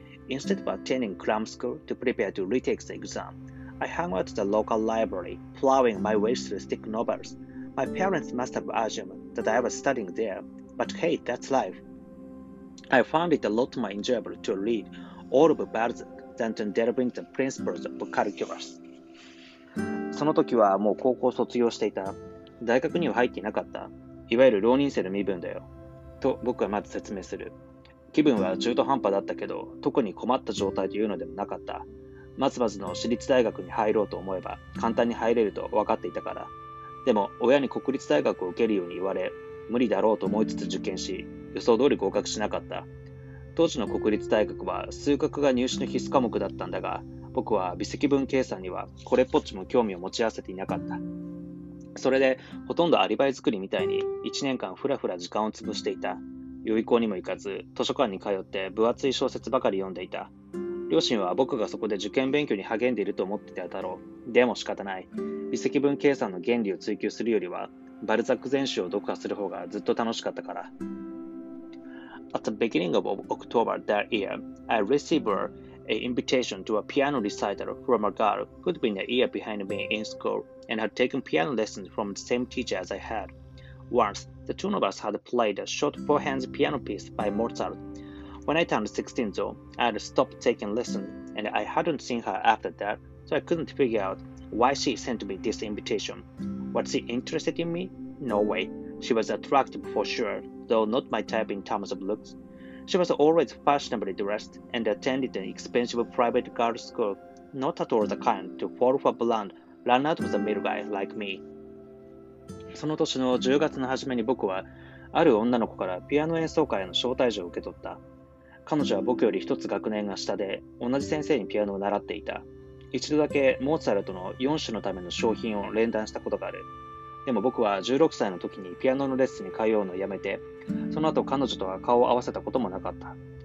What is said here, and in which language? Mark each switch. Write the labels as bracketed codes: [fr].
[en] Instead of attending cram school to prepare to retake the exam, I hung out at the local library, plowing my way through thick novels. My parents must have assumed that I was studying there, but hey, that's life. I found it a lot more enjoyable to read all of Balzac than to delve into the principles of calculus. [ja] その時はもう高校卒業していた。大学には入っていなかった。いわゆる浪人生の身分だよ。と僕はまず説明する。気分は中途半端だったけど、特に困った状態というのでもなかった。まずまずの私立大学に入ろうと思えば、簡単に入れると分かっていたから。でも親に国立大学を受けるように言われ、無理だろうと思いつつ受験し、予想通り合格しなかった。当時の国立大学は数学が入試の必須科目だったんだが、僕は微積分計算にはこれっぽっちも興味を持ち合わせていなかった。それでほとんどアリバイ作りみたいに1年間ふらふら時間を潰していた。予備校にも行かず図書館に通って分厚い小説ばかり読んでいた。両親は僕がそこで受験勉強に励んでいると思っていただろう。でも仕方ない。微積分計算の原理を追求するよりはバルザック全集を読破する方がずっと楽しかったから。 [en] At the beginning of October that year, I received an invitation to a piano recital from a girl who'd been a year behind me in school and had taken piano lessons from the same teacher as I had. Once, the two of us had played a short four-hands piano piece by Mozart. When I turned 16 though, I had stopped taking lessons and I hadn't seen her after that, so I couldn't figure out why she sent me this invitation. Was she interested in me? No way. She was attractive for sure, though not my type in terms of looks. She was always fashionably dressed and attended an expensive private girls' school, not at all the kind to fall for a blonde, run out of the middle guy like me. [ja] その年の10月の初めに僕は、ある女の子からピアノ演奏会への招待状を受け取った。彼女は僕より一つ学年が下で、同じ先生にピアノを習っていた。一度だけモーツァルトの4種のための商品を連弾したことがある。でも僕は16歳の時にピアノのレッスンに通うのをやめて、その後彼女とは顔を合わせたこともなかった。